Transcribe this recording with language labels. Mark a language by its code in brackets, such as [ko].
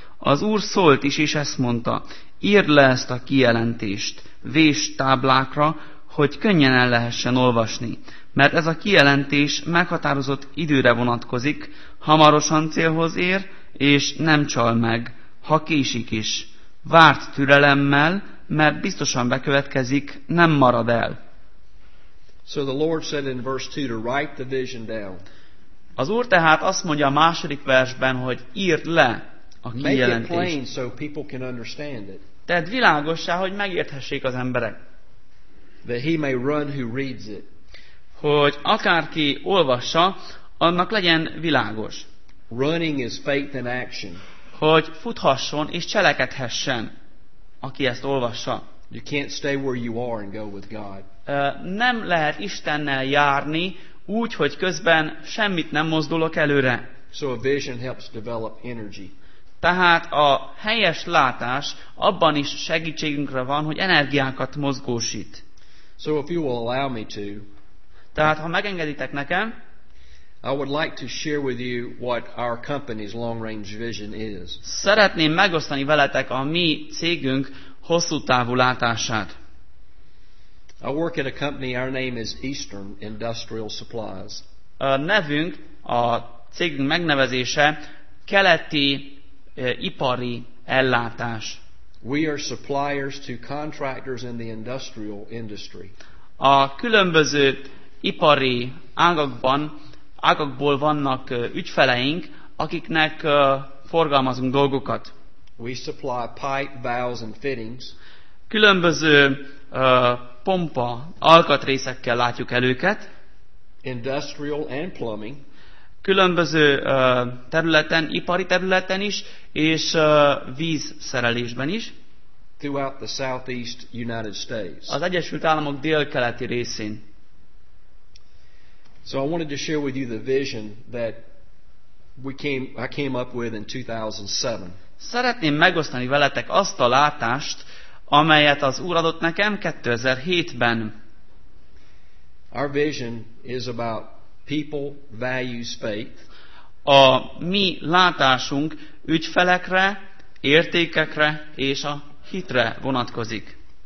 [hu] Az Úr szólt is, és ezt mondta, írd le ezt a kijelentést, vés táblákra, hogy könnyen el lehessen olvasni, mert ez a kijelentés meghatározott időre vonatkozik, hamarosan célhoz ér, és nem csal meg, ha késik is. Várt türelemmel, mert biztosan bekövetkezik, nem marad el. [en] So the Lord said in verse 2 to write the vision down. [hu] Az Úr tehát azt mondja a második versben, hogy írd le a kijelentést. [en] Make it plain so people can understand it. [hu] Tedd világossá, hogy megérthessék az emberek. [en] That he may run who reads it. [hu] hogy akárki olvassa, annak legyen világos. [en] Running is faith in action. [hu] Hogy futhasson és cselekedhessen, aki ezt olvassa. [en] You can't stay where you are and go with God. [hu] Nem lehet Istennel járni úgy, hogy közben semmit nem mozdulok előre. [en] So a vision helps develop energy. [hu] Tehát a helyes látás abban is segítségünkre van, hogy energiákat mozgósít. [en] So if you will allow me to, [hu] tehát ha megengeditek nekem, [en] I would like to share with you what our company's long-range vision is. [hu] Szeretném megosztani veletek a mi cégünk hosszú távú látását. [en] I work at a company, our name is Eastern Industrial Supplies. [hu] A nevünk, a cégünk megnevezése Keleti ipari ellátás. [en] We are suppliers to contractors in the industrial industry. [hu] A különböző ipari ágakban, ágakból vannak ügyfeleink, akiknek forgalmazunk dolgokat. [en] We supply pipe, valves and fittings. [hu] Különböző pompa, alkatrészekkel látjuk el őket. [en] Industrial and plumbing. [hu] Különböző területen, ipari területen is, és vízszerelésben is. [en] Throughout the Southeast United States. [hu] Az Egyesült Államok délkeleti részén. [en] So I wanted to share with you the vision that I came up with in 2007. [hu] Szeretném megosztani veletek azt a látást, amelyet az Úr adott nekem 2007-ben. [en] Our vision is about people, values, faith. [hu] A mi látásunk ügyfelekre, értékekre és a hitre vonatkozik.